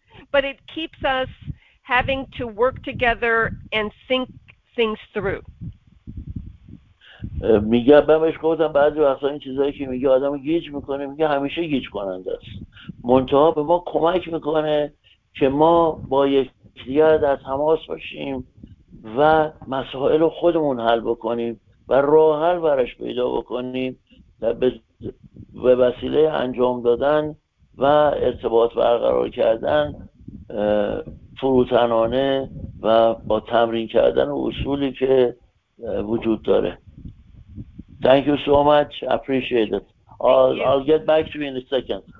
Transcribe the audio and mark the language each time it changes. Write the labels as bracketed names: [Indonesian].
[English] But it keeps us having to work together and think things through. [Persian] میگه بهش گفتم بعضی وقتا این چیزایی که میگه آدمو گیج میکنه، میگه همیشه گیج کننده است. منتها به ما کمک میکنه که ما با یکدیگر در تماس باشیم و مسائل رو خودمون حل بکنیم و راه حل براش پیدا بکنیم و به وسیله انجام دادن و ارتباط برقرار کردن فروتنانه و با تمرین کردن اصولی که وجود داره. [English] Thank you so much. I appreciate it. I'll get back to you in a second.